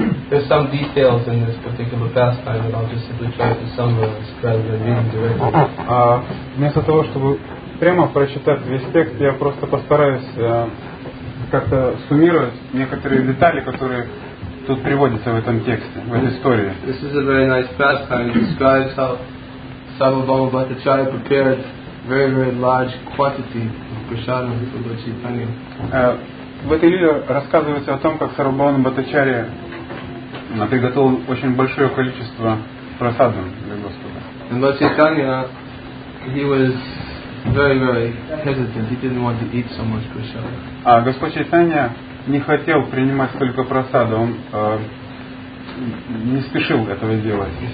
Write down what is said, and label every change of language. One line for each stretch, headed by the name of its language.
English: There's some details in this particular pastime, and I'll just simply try to summarize rather than reading directly.
Russian: Вместо того, чтобы прямо прочитать весь текст, я просто постараюсь как-то суммировать некоторые детали, которые тут приводятся в этом тексте, в этой истории.
English: This is a very nice pastime. It describes how Sarvabhauma Bhattacharya prepared very, very large quantity of prasadam for Lord Chaitanya.
Russian: В этой лиле рассказывается о том, как Сарвабхауна Бхаттачарья приготовил очень большое количество прасадам для Господа.
English: And Lord Chaitanya, he was very, very hesitant. He didn't want to eat so much prasadam.
Russian: А Господь Чайтанья не хотел принимать столько прасада, он не спешил этого делать.